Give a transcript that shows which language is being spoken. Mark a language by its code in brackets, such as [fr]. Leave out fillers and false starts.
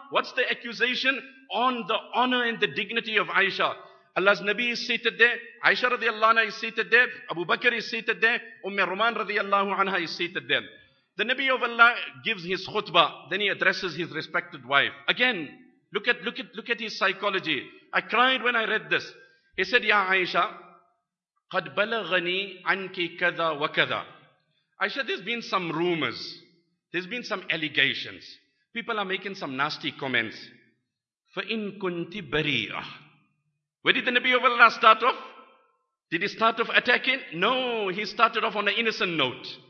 [en] What's the accusation on the honor and the dignity of Aisha? Allah's Nabi is seated there. Aisha radiallahu anha is seated there. Abu Bakr is seated there. Umm Ruman radiallahu anha is seated there. The Nabi of Allah gives his khutbah. Then he addresses his respected wife. Again, look at his psychology. I cried when I read this. He said, Ya Aisha, [ar] قَدْ بَلَغَنِي عَنْكِ كَذَا وَكَذَا. [en] Aisha, there's been some rumors. There's been some allegations. People are making some nasty comments. [ar] فَإِن كُنْتِ بَرِيَةً. [en] Where did the Nabi of Allah start off? Did he start off attacking? No, he started off on an innocent note.